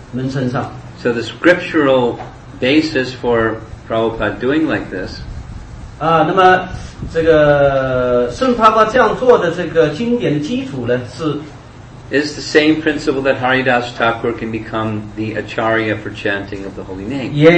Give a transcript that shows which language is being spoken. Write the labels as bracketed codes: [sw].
[en] So the scriptural basis for Prabhupada doing like this, [zh] 那么这个圣帕巴这样做的这个经典的基础呢是 [en] is the same principle that Haridas Thakur can become the acharya for chanting of the holy name.